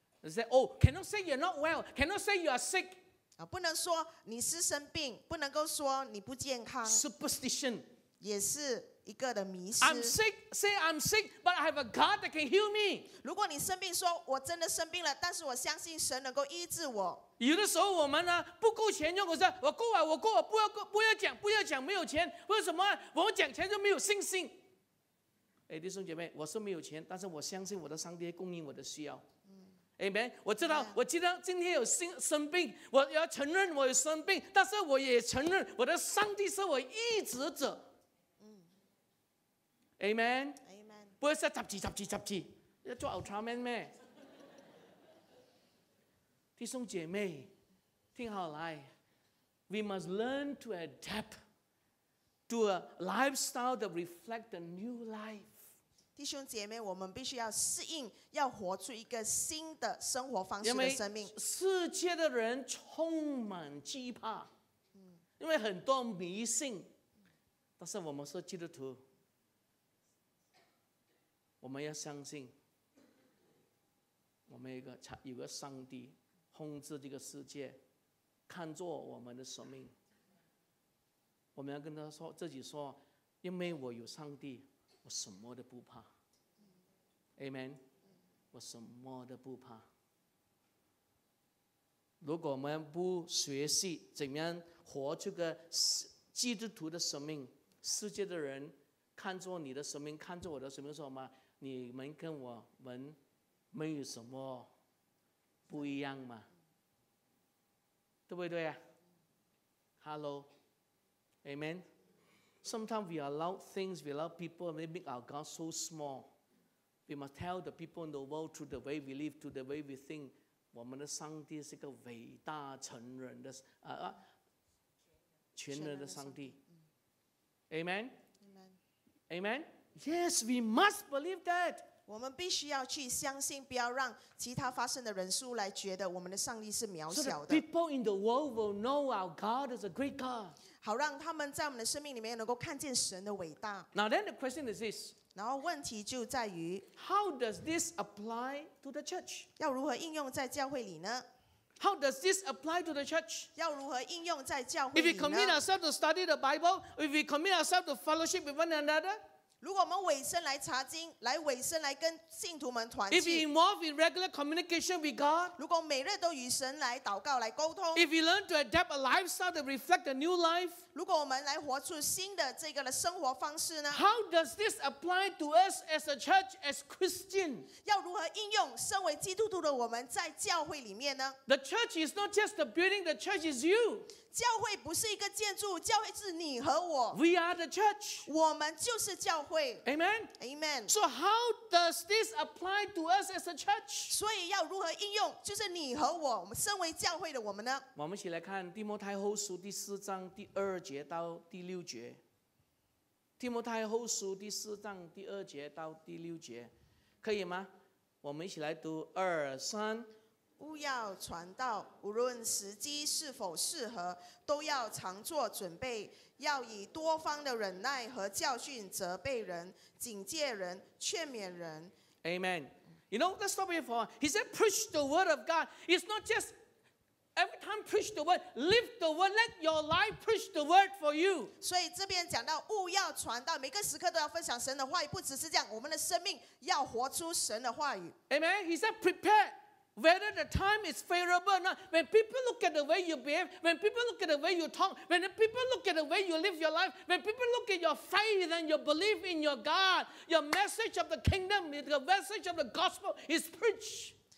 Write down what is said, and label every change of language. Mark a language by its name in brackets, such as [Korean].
[English] say, oh, cannot say you're not well, cannot say you are sick. [Chinese] 不能说你是生病，不能够说你不健康。 [English] Superstition [Chinese] 也是一个的迷思。 [English] I'm sick, say I'm sick, but I have a God that can heal me. [Chinese] 如果你生病，说我真的生病了，但是我相信神能够医治我。有的时候我们呢不够钱用，我说我够啊，我够啊，不要讲没有钱，为什么？我讲钱就没有信心。哎，弟兄姐妹，我是没有钱，但是我相信我的上帝供应我的需要。 [English] Amen。 [Chinese] 我知道，我知道今天有生病，我要承认我有生病，但是我也承认我的上帝是我医治者。 [English] Amen。 Amen。 [Chinese] 不是杂七杂七杂七，要做 Ultraman 咩？弟兄姐妹，听好来 [English] ，We must learn to adapt。 To a lifestyle that reflects the new life. [Chinese] 弟兄姐妹，我们必须要适应，要活出一个新的生活方式的生命。因为世界的人充满惧怕，因为很多迷信。但是我们是基督徒，我们要相信，我们有个上帝控制这个世界，看作我们的生命。我们要跟他说自己说，因为我有上帝，我什么都不怕。 Amen， 我什么都不怕。如果我们不学习怎样活这个基督徒的生命，世界的人看作你的生命，看作我的生命，说嘛，你们跟我们没有什么不一样嘛，对不对啊 ？Hello。 [English] Amen. Sometimes we allow things, we allow people, and they make our God so small. We must tell the people in the world through the way we live, through the way we think, [Chinese] 我们的上帝是个伟大成人的全能的上帝。 [English] Amen? Amen? Amen? Yes, we must believe that. [Chinese] 我们必须要去相信，不要让其他发生的人数来觉得我们的上帝是渺小的。 [English] So the people in the world will know our God is a great God. [Chinese] 好让他们在我们的生命里面能够看见神的伟大。 [English] Now then the question is this. [Chinese] 然后问题就在于 [English] How does this apply to the church? [Chinese] 要如何应用在教会里呢？ [English] How does this apply to the church? [Chinese] 要如何应用在教会里呢? [English] If we commit ourselves to study the Bible, if we commit ourselves to fellowship with one another, [Chinese] 如果我们委身来查经，来委身来跟信徒们团契。 [English] If we involve in regular communication with God, [Chinese] 如果每日都与神来祷告来沟通。 [English] If we learn to adapt a lifestyle that reflects a new life, [Chinese] 如果我们来活出新的这个的生活方式呢? [English] How does this apply to us as a church, as Christian? [Chinese] 要如何应用身为基督徒的我们在教会里面呢? [English] The church is not just the building, the church is you. [Chinese] 教会不是一个建筑，教会是你和我。 [English] We are the church. [Chinese] 我们就是教会。 [English] Amen. Amen. So how does this apply to us as a church? [Chinese] 所以要如何应用，就是你和我，我们身为教会的我们呢？我们一起来看提摩太后书第四章第二节到第六节。提摩太后书第四章第二节到第六节，可以吗？我们一起来读二三。务要传道，无论时机是否适合，都要常做准备，要以多方的忍耐和教训责备人，警戒人，劝勉人。 [English] Amen. You know, let's stop here for a while. He said preach the word of God. It's not just every time preach the word, live the word, let your life preach the word for you. [Chinese] 所以这边讲到务要传道，每个时刻都要分享神的话语，不只是这样，我们的生命要活出神的话语。 [English] Amen. He said prepareWhether the time is favorable or not, when people look at the way you behave, when people look at the way you talk, when the people look at the way you live your life, when people look at your faith and your belief in your God, your message of the kingdom, the message of the gospel is preached.